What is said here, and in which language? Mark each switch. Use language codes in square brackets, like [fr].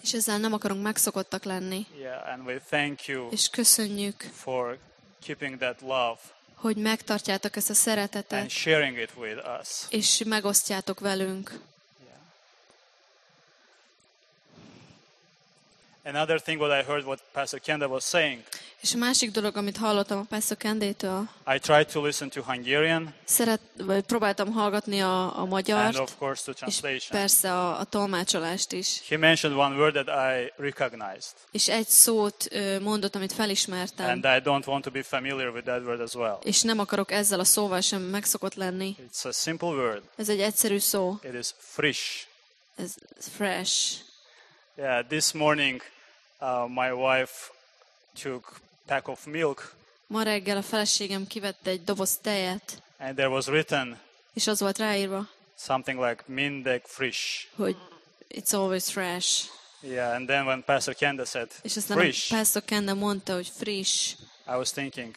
[hu] És ezzel nem akarunk megszokottak lenni. [en] Yeah, and we thank you. [hu] És köszönjük. [en] For keeping that love. [hu] hogy megtartjátok ezt a szeretetet, [en] and sharing it with us. [hu] És megosztjátok velünk. [en] Another thing what I heard what Pastor Kenda was saying. [hu] És a másik dolog, amit hallottam a Pastor Kendétől. [en] I tried to listen to Hungarian. [hu] Próbáltam hallgatni a magyart. [en] And of course the translation. [hu] És persze a tolmácsolást is. [en] He mentioned one word that I recognized. [hu] És egy szót mondott, amit felismertem. [en] And I don't want to be familiar with that word as well. [hu] És nem akarok ezzel a szóval sem megszokott lenni. [en] It's a simple word. [hu] Ez egy egyszerű szó. [en] It is frisch. [hu] Ez fresh. [en] Yeah, this morning my wife took a pack of milk. [hu] Ma reggel a feleségem kivette egy doboz tejet. [en] And there was written. [hu] És az volt ráírva. [en] Something like [hu] mindig friss. Hogy [en] it's always fresh. Yeah, and then when Pastor Kenda said friss. [hu] És Pastor Kenda mondta, hogy friss. [en] I was thinking.